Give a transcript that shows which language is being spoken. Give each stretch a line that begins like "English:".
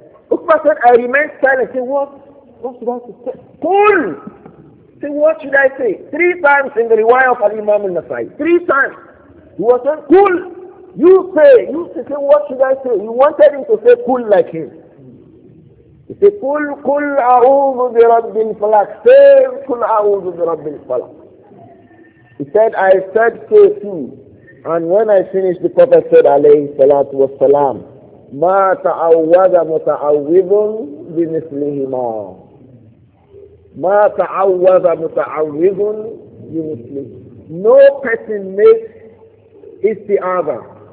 English: أُقْبَى said, I remain silent. Say, what should I say? قُلْ. Say, what should I say? Three times in the riwayah of Al-Imam al-Nasa'i. Three times. He was saying, قُلْ. You say. Say, what should I say? He wanted him to say قُلْ like him. He said,
Arabic: قُلْ أَعُوذُ بِرَبِّ الْفَلَقِ.
English: Say,
Arabic: قُلْ أَعُوذُ بِرَبِّ الْفَلَقِ.
English: He said, I said so too. And when I finished, the Prophet said, عليه الصلاة والسلام,
Arabic: مَا تَعَوَّذَ مُتَعَوِّذٌ بِمِثْلِهِمَا. مَا تَعَوَّذَ مُتَعَوِّذٌ بِمِثْلِهِمَا.
English: No person makes istiazah.